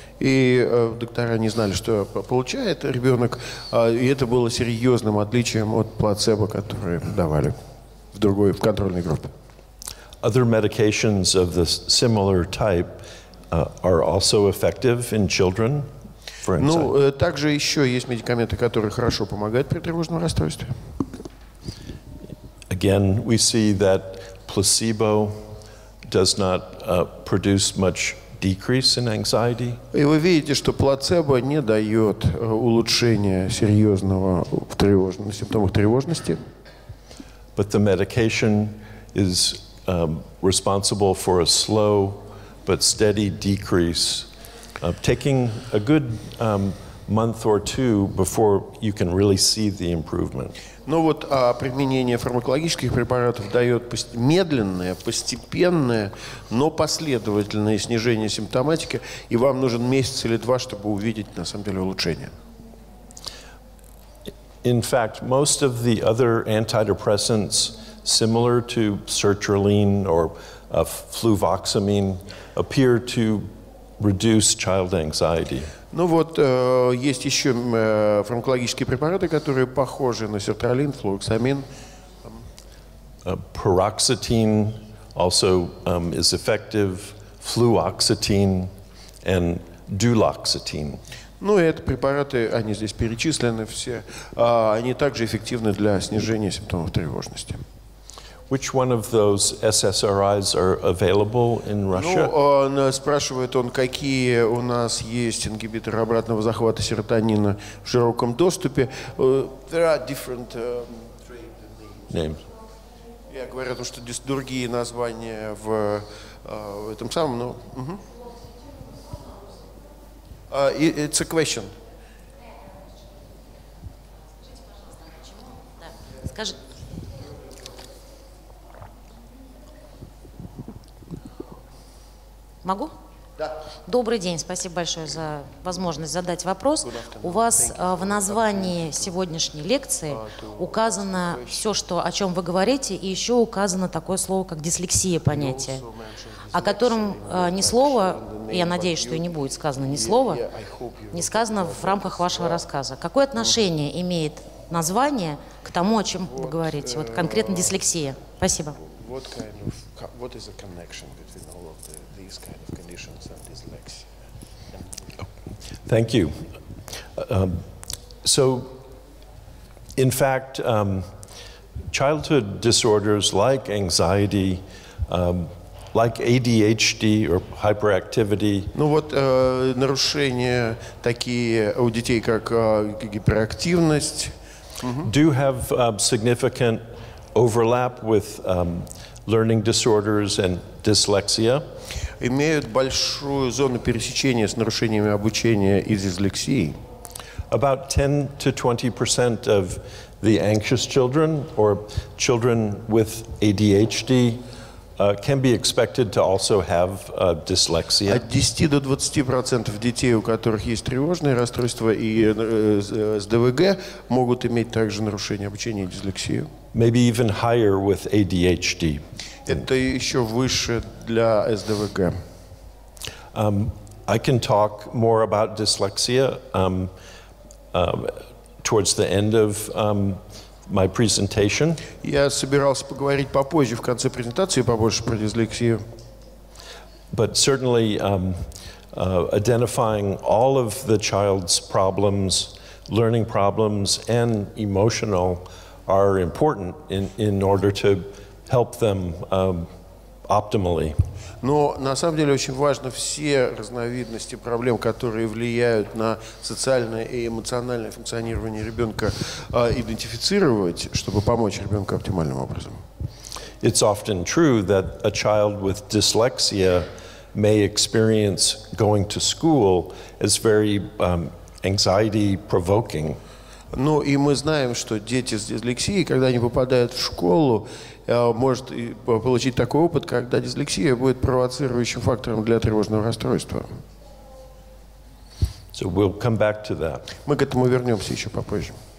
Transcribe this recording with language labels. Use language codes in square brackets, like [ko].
[ru] И доктора не знали, что получает ребенок, и это было серьезным отличием от плацебо, которое давали в другой, в контрольной группе. [en] Other medications of the similar type are also effective in children, for instance. [ru] Ну, также еще есть медикаменты, которые хорошо помогают при тревожном расстройстве. [en] Again, we see that placebo does not produce much decrease in anxiety. [ru] И вы видите, что плацебо не дает улучшения серьезного в симптомах тревожности. [en] But the medication is responsible for a slow but steady decrease, taking a good month or two before you can really see the improvement. [ru] Ну вот применение фармакологических препаратов дает медленное, постепенное, но последовательное снижение симптоматики, и вам нужен месяц или два, чтобы увидеть на самом деле улучшение. [en] In fact, most of the other antidepressants similar to sertraline or fluvoxamine appear to reduce child anxiety. [ru] Ну вот есть еще фармакологические препараты, которые похожи на сертралин, флуоксамин. [en] Paroxetine also is effective, fluoxetine and duloxetine. [ru] Ну и это препараты, они здесь перечислены все, они также эффективны для снижения симптомов тревожности. [en] Which one of those SSRIs are available in Russia? [ru] Ну, спрашивает он, какие у нас есть ингибиторы обратного захвата серотонина в широком доступе. [en] There are different names. [ru] Я говорю о том, что здесь другие названия в этом самом, но... [en] it's a question. [ru] Скажи. Могу? Добрый день, спасибо большое за возможность задать вопрос. У вас в названии сегодняшней лекции указано все, что, о чем вы говорите, и еще указано такое слово, как дислексия, понятие, о котором ни слова, я надеюсь, что и не будет сказано ни слова, не сказано в рамках вашего рассказа. Какое отношение имеет название к тому, о чем вы говорите, вот конкретно дислексия? Спасибо. [en] What is the connection between all of the, these kind of conditions and dyslexia? Thank you. So, in fact, childhood disorders like anxiety, like ADHD or hyperactivity. [ru] Ну вот нарушения такие у детей как гиперактивность. [en] Do have significant overlap with learning disorders and dyslexia. [ru] Имеют большую зону пересечения с нарушениями обучения и дислексией. [en] About 10 to 20% of the anxious children or children with ADHD can be expected to also have dyslexia. [ru] От 10 до 20% детей, у которых есть тревожные расстройства и с ДВГ, могут иметь также нарушение обучения и дислексию. [en] Maybe even higher with ADHD. [ru] Это еще выше для СДВГ. [en] I can talk more about dyslexia towards the end of my presentation. [ru] Я собирался поговорить попозже, в конце презентации, побольше про дислексию. [en] But certainly identifying all of the child's problems, learning problems, and emotional are important in order to help them optimally. [ru] Но на самом деле очень важно все разновидности проблем, которые влияют на социальное и эмоциональное функционирование ребенка, идентифицировать, чтобы помочь ребенку оптимальным образом. [en] It's often true that a child with dyslexia may experience going to school as very anxiety provoking. [ru] Ну и мы знаем, что дети с дислексией, когда они попадают в школу, может получить такой опыт, когда дислексия будет провоцирующим фактором для тревожного расстройства. [en] So we'll come back to that. [ru] Мы к этому вернемся еще попозже.